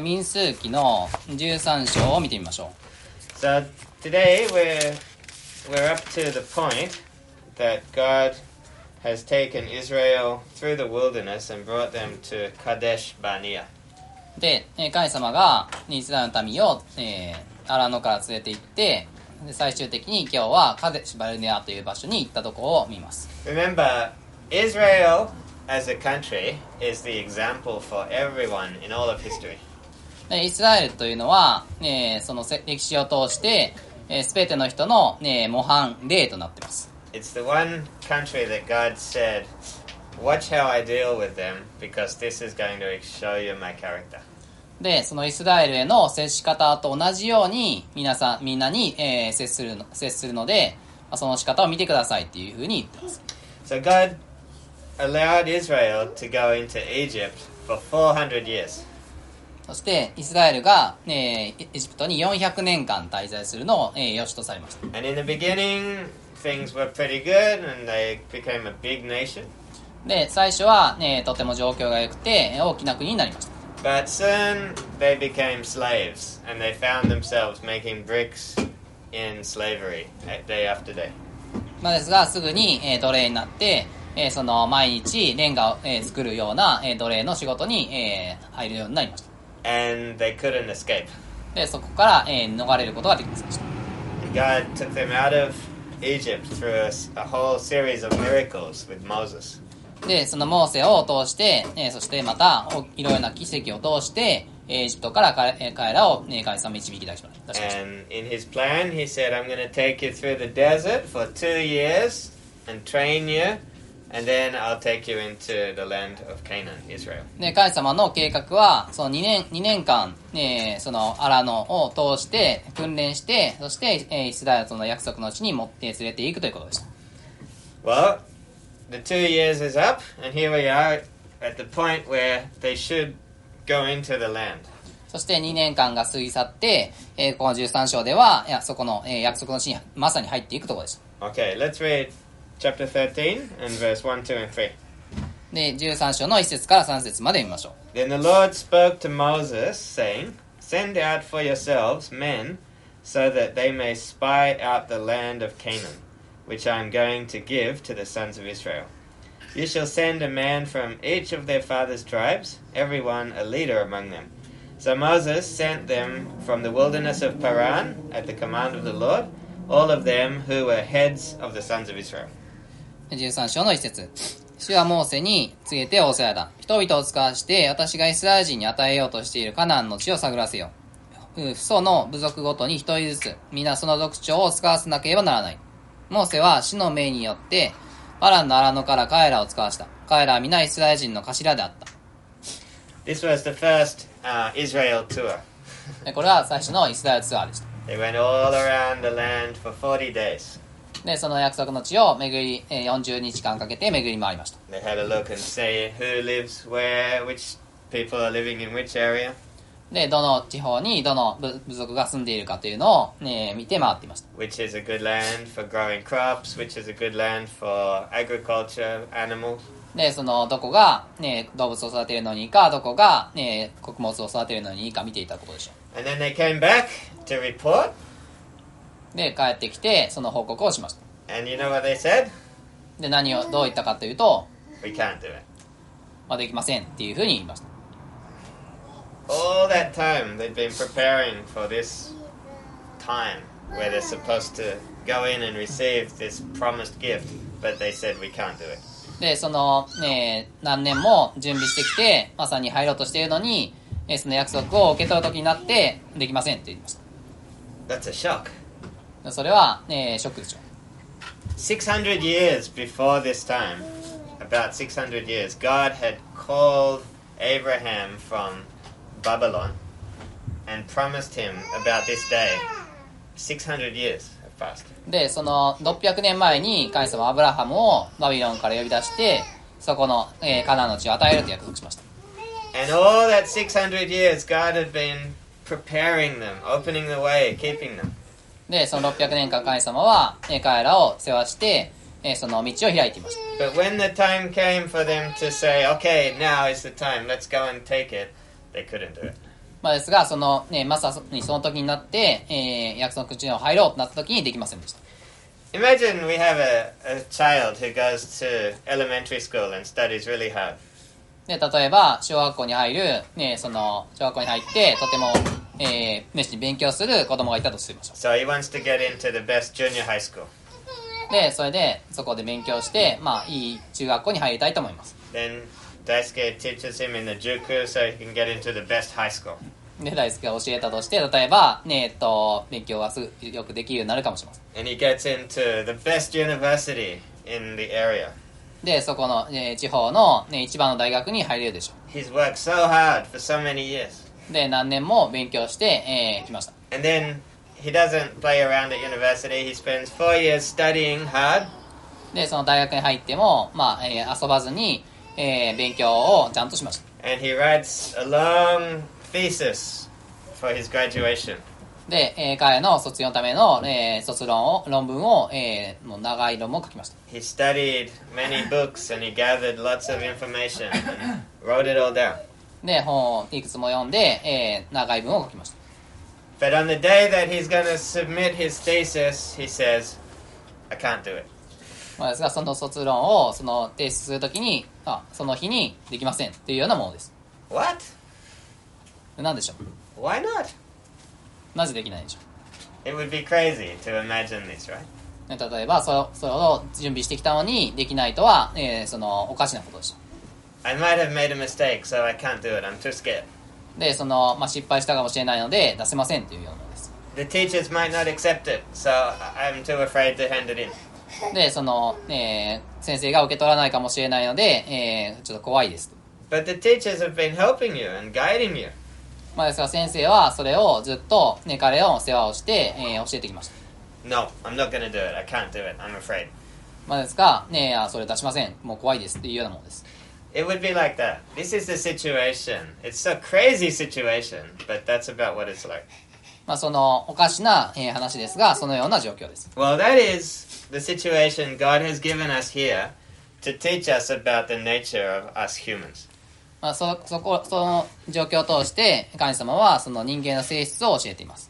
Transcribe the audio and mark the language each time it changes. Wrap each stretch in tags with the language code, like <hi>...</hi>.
<ja>民数記の13章を見てみましょう。</ja> <en>So today we're up to the point that God has taken Israel through the wilderness and brought them to Kadesh Barnea.</en> <ja>で、神様がイスラエルの民を、アラノから連れて行って、で最終的に今日はカデシュバルネアという場所に行ったところを見ます。</ja> <en>Remember, Israel as a country is the example for everyone in all of history.</en> <ja>でイスラエルというのは、その歴史を通して、すべての人の、模範例となっています。</ja> <en>It's the one country that God said, watch how I deal with them because this is going to show you my character.</en> <ja>でそのイスラエルへの接し方と同じように皆さんみんなに、接するのでその仕方を見てくださいっていうふうに言ってます。</ja> <en>So God allowed Israel to go into Egypt for 400 years.</en> <ja>そしてイスラエルが、エジプトに400年間滞在するのを、良しとされました。</ja> <en>And in the beginning, things were pretty good and they became a big nation.</en> <ja>で最初は、とても状況が良くて大きな国になりました。</ja> <en>But soon they became slaves, and they found themselves making bricks in slavery day after day.</en> <ja>まあですが、すぐに奴隷になって、その毎日レンガを作るような奴隷の仕事に入るようになりました。</ja> <en>And they couldn't escape.</en> <ja>で、そこから逃れることができませんでした。</ja> <en>God took them out of Egypt through a whole series of miracles with Moses.</en> <ja>でそのモーセを通して、そしてまたいろいろな奇跡を通してエジプトから彼らを、神様導き出しました。</ja> <en>And in his plan he said I'm going to take you through the desert for 2 years and train you and then I'll take you into the land of Canaan, Israel.</en> <ja>神様の計画はその2年間、そのアラノを通して訓練してそしてイスラエルとの約束の地に持って連れていくということでした。</ja> <en>WellThe 2 years is up, and here we are at the point where they should go into the land.</en> <ja>そして2年間が過ぎ去って、この13章では、いや、そこの、約束の地にまさに入っていくところです。</ja> <en>Okay, let's read chapter 13 and verse 1, 2, and 3.</en> <ja>で、13章の1節から3節まで見ましょう。</ja> <en>Then the Lord spoke to Moses, saying, Send out for yourselves men, so that they may spy out the land of Canaan. Which I am going to give to the sons of Israel. You shall send a man from each of their father's tribes, every one a leader among them. So Moses sent them from the wilderness of Paran at the command of the Lord, all of them who were heads of the sons of Israel.</en> <ja>13章の1節。主はモーセに告げて仰せられた。人々を使わして私がイスラエル人に与えようとしているカナンの地を探らせよ。父祖の部族ごとに一人ずつ、皆その族長を使わせなければならない。モーセは主の命によってパランのアラノから彼らを使わした。彼らは皆イスラエル人の頭であった。</ja> <en>This was the first, Israel tour.</en> <ja>これは最初のイスラエルツアーでした。</ja> <en>They went all around the land for 40 days.</en> <ja>で、その約束の地を巡り、40日間かけて巡り回りました。</ja> <en>They had a look and say who lives where, which people are living in which area.</en> <ja>で、どの地方にどの部族が住んでいるかというのを、見て回っていました。</ja> <en>Which is a good land for growing crops, which is a good land for agriculture, animals.</en> <ja>で、そのどこが、動物を育てるのにいいか、どこが、穀物を育てるのにいいか見ていたことでしょう。</ja> <en>And then they came back to report.</en> <ja>で、帰ってきて、その報告をしました。</ja> <en>And you know what they said?</en> <ja>で、何をどう言ったかというと、</ja> <en>We can't do it.</en> <ja>まあ、できませんっていうふうに言いました。</ja> <en>All that time they've been preparing for this time where they're supposed to go in and receive this promised gift, but they said we can't do it.</en> <ja>で、その、何年も準備してきて、まさに入ろうとしているのに、その約束を受け取る時になって、できませんって言いました。</ja> <en>That's a shock.</en> <ja>それは、ショックでしょう。</ja> <en>600 years before this time, about 600 years, God had called Abraham fromBabylon and promised him about this day 600 years have passed.</en> <ja>で、その600年前に神様はアブラハムをバビロンから呼び出して、そこの、カナンの地を与えると約束しました。</ja> <en>And all that 600 years, God had been preparing them, opening the way, keeping them.</en> <ja>で、その600年間神様は、彼らを世話して、その道を開いていました。</ja> <en>But when the time came for them to say, okay, now is the time, let's go and take it, they couldn't do it.</en> <ja>まあですが、その、ね、まさにその時になって、約束の地を入ろうとなった時にできませんでした。</ja> <en>Imagine we have a child who goes to elementary school and studies really hard.</en> <ja>で、例えば、小学校に入る、ね、その、小学校に入って、とても、熱心に勉強する子供がいたとしましょう。</ja> <en>So he wants to get into the best junior high school.</en> <ja>で、それで、そこで勉強して、まあ、いい中学校に入りたいと思います。</ja> <en>Then... Daisuke teaches him in the juku so he can get into the best high school.</en> <ja>ね、大輔が教えたとして、例えばね、勉強はすぐよくできるようになるかもしれません。</ja> <en>And he gets into the best university in the area.</en> <ja>で、そこの、ね、地方の、ね、一番の大学に入れるでしょう。</ja> <en>He's worked so hard for so many years.</en> <ja>で、何年も勉強して、来ました。</ja> <en>And then he doesn't play around at university. He spends 4 years studying hard.</en> <ja>で、その大学に入っても、まあ、遊ばずに。勉強をちゃんとしました。</ja> <en>And he writes a long thesis for his graduation.</en> <ja>で、彼の卒業のための、卒論を論文を、もう長い論文を書きました。</ja> <en>He studied many books and he gathered lots of information and wrote it all down.</en> <ja>で、本をいくつも読んで、長い文を書きました。</ja> <en>But on the day that he's gonna submit his thesis, he says, I can't do it.</en> <ja>まあ、ですがその卒論をその提出するときにあその日にできませんというようなものです。</ja> <en>What?</en> <ja>何でしょう</ja> <en>?Why not?</en> <ja>なぜできないでしょう</ja> <en>?It would be crazy to imagine this, right?</en> <ja>例えばそれを準備してきたのにできないとは、そのおかしなことでしょ</ja> <en>う。I might have made a mistake, so I can't do it. I'm too scared.</en> <ja>で、その、まあ、失敗したかもしれないので出せませんというようなものです。</ja> <en>The teachers might not accept it, so I'm too afraid to hand it in.</en> <ja>でその、先生が受け取らないかもしれないので、ちょっと怖いです。</ja> <en>But the teachers have been helping you and guiding you.</en> <ja>まあですが先生はそれをずっと、ね、彼を世話をして、教えてきました。</ja> <en>No, I'm not gonna do it. I can't do it. I'm afraid.</en> <ja>まあですが、ね、それ出しません。もう怖いですっていうようなものです。</ja> <en>It would be like that. This is the situation. It's a crazy situation, but that's about what it's like.</en> <ja>まあ、そのおかしな話ですが、そのような状況です。</ja> <en>Well, that is the situation God has given us here to teach us about the nature of us humans.</en> <ja>まあ、その状況を通して、神様はその人間の性質を教えています。</ja>